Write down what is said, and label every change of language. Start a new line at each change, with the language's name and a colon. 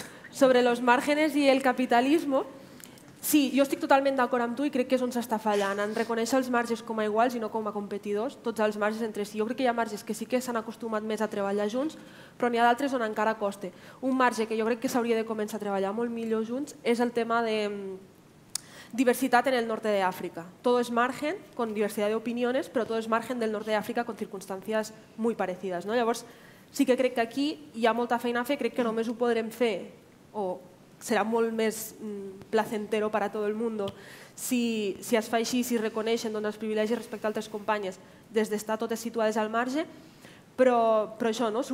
Spanish: Sobre los márgenes
Catalan: i el capitalisme, sí, jo estic totalment d'acord amb tu i crec que és on s'està fallant, en reconèixer els marges com a iguals i no com a competidors, tots els marges entre si. Jo crec que hi ha marges que sí que s'han acostumat més a treballar junts, però n'hi ha d'altres on encara costa. Un marge que jo crec que s'hauria de començar a treballar molt millor junts és el tema de...
Spanish: diversidad en el norte de África. Todo es margen, con diversidad de opiniones, pero todo es margen del norte de África con circunstancias muy parecidas, ¿no?
Catalan: Llavors, sí que crec que aquí hi ha molta feina a fer, crec que només ho podrem fer, o serà molt més placentero per a tot el món, si es fa així, si reconeixen doncs, els privilegis respecte a altres companyes, des d'estar totes situades al marge, però això, no?